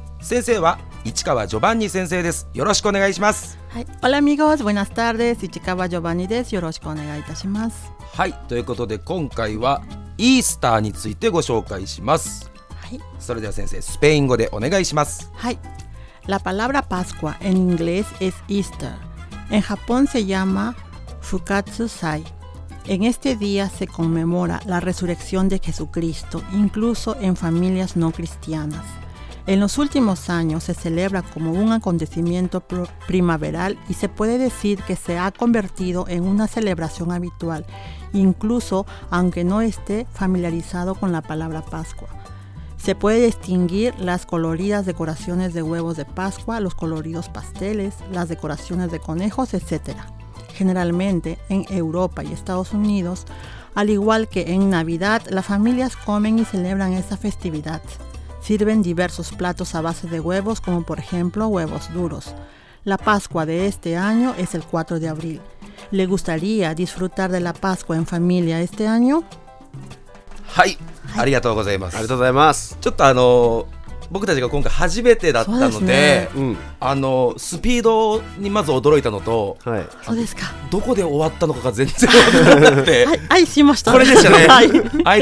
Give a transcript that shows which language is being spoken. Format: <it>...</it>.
<ja>先生は市川ジョバンニ先生です。よろしくお願いします。はい、</ja> <es>オラミゴス、ブナスタール</es> <ja>です。市川ジョバンニです。よろしくお願いいたします。はい、ということで今回はイースターについてご紹介します。はい、それでは先生スペイン語でお願いします。はい、</ja> <es>La palabra Pascua en inglés es Easter. En Japón se llama Fukatsu-sai. En este día se conmemora la resurrección de Jesucristo, incluso en familias no cristianas. En los últimos años se celebra como un acontecimiento primaveral y se puede decir que se ha convertido en una celebración habitual, incluso aunque no esté familiarizado con la palabra Pascua. Se puede distinguir las coloridas decoraciones de huevos de Pascua, los coloridos pasteles, las decoraciones de conejos, etc. Generalmente, en Europa y Estados Unidos, al igual que en Navidad, las familias comen y celebran esta festividad. Sirven diversos platos a base de huevos, como por ejemplo huevos duros. La Pascua de este año es el 4 de abril. ¿Le gustaría disfrutar de la Pascua en familia este año?</es> <ja>はい、ありがとうございます。ありがとうございます。ちょっと僕たちが今回初めてだったの で、ね、スピードにまず驚いたのと、はい、そうですか、どこで終わったのかが全然分からなくて、はい、愛しました。これでしたね、はい、</ja>